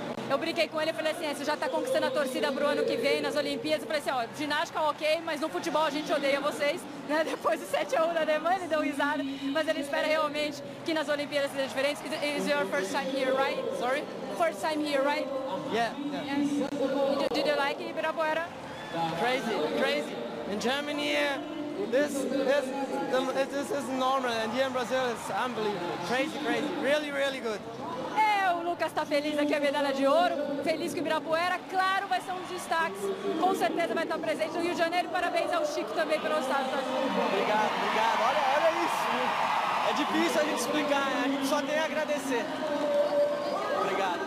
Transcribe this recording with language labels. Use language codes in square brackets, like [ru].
[pt] Eu brinquei com ele e falei assim, você já está conquistando a torcida para o ano que vem nas Olimpíadas. Eu falei assim, ó, ginástica ok, mas no futebol a gente odeia vocês, né? Depois do 7-1 da Alemanha, ele deu risada, mas ele espera realmente que nas Olimpíadas seja diferente. [en] Is your first time here, right? Sorry? First time here, right? Yeah. Yes. Did you like Ibirapuera? Crazy. In Germany, this is normal, and here in Brazil it's unbelievable. Crazy. Really, really good. [pt] Lucas está feliz aqui, a medalha de ouro, feliz com o Ibirapuera, claro, vai ser um dos destaques, com certeza vai estar presente no Rio de Janeiro. Parabéns ao Chico também pelo estado. Obrigado. Olha isso, é difícil a gente explicar, a gente só tem a agradecer. Obrigado.